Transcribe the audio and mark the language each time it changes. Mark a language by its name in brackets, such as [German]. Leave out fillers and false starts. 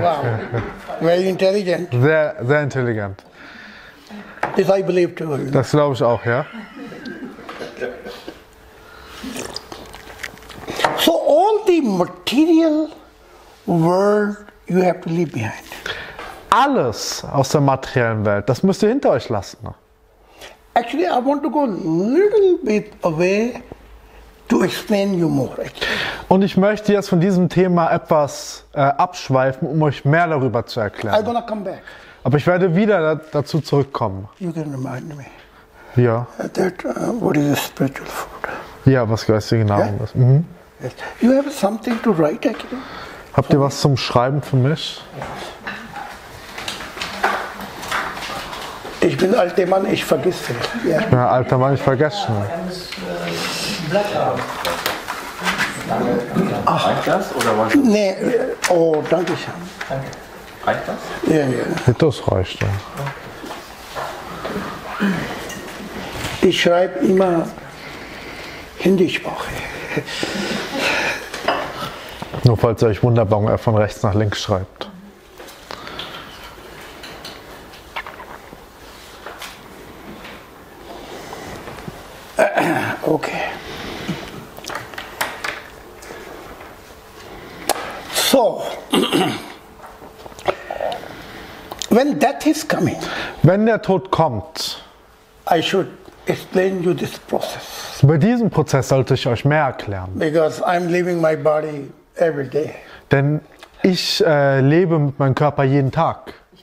[English] Wow. Very intelligent. [German] Sehr, sehr intelligent. [English] This I believe too. [German] Das glaube ich auch, ja. [English] So all the material world you have to leave behind. [German] Alles aus der materiellen Welt, das müsst ihr hinter euch lassen. [English] Actually, I want to go a little bit away to explain you more. [German] Und ich möchte jetzt von diesem Thema etwas abschweifen, um euch mehr darüber zu erklären. [English] I'm gonna come back. [German] Aber ich werde wieder dazu zurückkommen. [English] You can remind me. [German] Ja. [English] That, what is a spiritual food? [German] Ja, was geistige Nahrung ist. [English] Mhm. Yes. You have something to write, actually? [German] Habt ihr was zum Schreiben für mich? Ich bin alter Mann, ich vergesse. Ja. Ich bin ein alter Mann, ich vergesse. Ja, reicht das oder was? Nee, oh, danke schön. Danke. Reicht das? Ja, ja. Das reicht, ja. Ich schreibe immer Hindi-Sprache. Nur falls ihr euch wundert, warum er von rechts nach links schreibt. Okay. So. [English] When death is coming. [German] Wenn der Tod kommt. [English] I should explain you this process. [German] Bei diesem Prozess sollte ich euch mehr erklären. [English] Because I'm leaving my body every day. [German] Denn ich lebe mit meinem Körper jeden Tag.